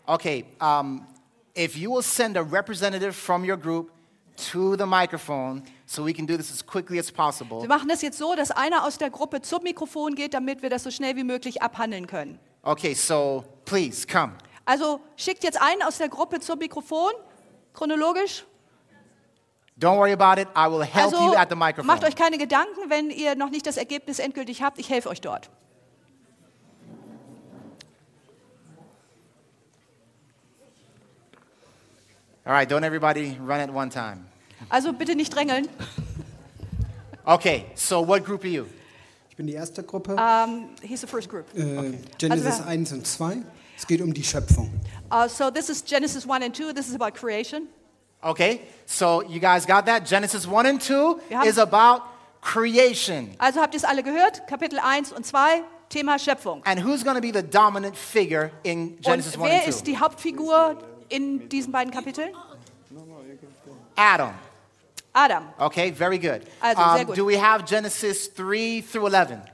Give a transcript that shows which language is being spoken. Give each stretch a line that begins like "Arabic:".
English: Okay, if you will send a representative from your group to the microphone so we can do this as quickly as possible.
German: Wir machen das jetzt so, dass einer aus der Gruppe zum Mikrofon geht, damit wir das so schnell wie möglich abhandeln können.
English: Okay, so please come.
German: Also, schickt jetzt einen aus der Gruppe zum Mikrofon, chronologisch.
English: Don't worry about it, I will help
German: also,
English: you at the microphone.
German: Macht euch keine Gedanken, wenn ihr noch nicht das Ergebnis endgültig habt, ich helfe euch dort.
English: All right, don't everybody run at one time.
German: Also bitte nicht drängeln.
English: Okay, so what group are you?
German: Ich bin die erste Gruppe.
English: He's the first group.
German: Genesis also, 1 und 2. Es geht um die Schöpfung.
English: So this is Genesis 1 and 2. This is about creation. Okay, so you guys got that? Genesis 1 and 2 is about creation.
German: Also habt ihr es alle gehört? Kapitel 1 und 2, Thema Schöpfung.
English: And who's going to be the dominant figure in Genesis 1 and 2?
German: Wer ist die Hauptfigur in diesen beiden Kapiteln?
English: Adam.
German: Adam.
English: Okay, very good.
German: Also, sehr gut.
English: Do we have Genesis 3 through 11?